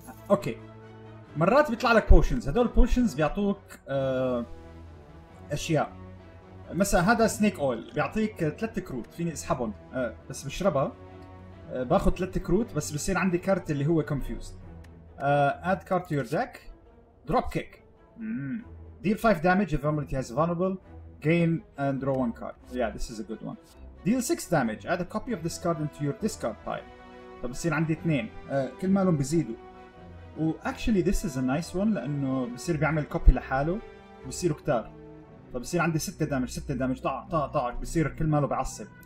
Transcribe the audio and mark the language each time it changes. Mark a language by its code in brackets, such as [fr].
[ar] أوكي مرات بيطلع لك potions، هدول potions بيعطوك أشياء. مثلا هذا snake oil بيعطيك 3 كروت فيني اسحبهم، بس بشربها باخد 3 كروت بس بصير عندي كارت اللي هو confused. [en] add card to your deck. drop kick. deal 5 damage if somebody has vulnerable. gain and draw 1 card. yeah this is a good one. deal 6 damage. add a copy of this card into your discard pile. [ar] طب بصير عندي 2 كل مالهم بيزيدوا. و [en] actually this is a nice one [ar] لانه بصير بيعمل copy لحاله بصيروا كتار. طب بصير عندي 6 damage 6 damage طع طع طع بصير كل ماله بعصب.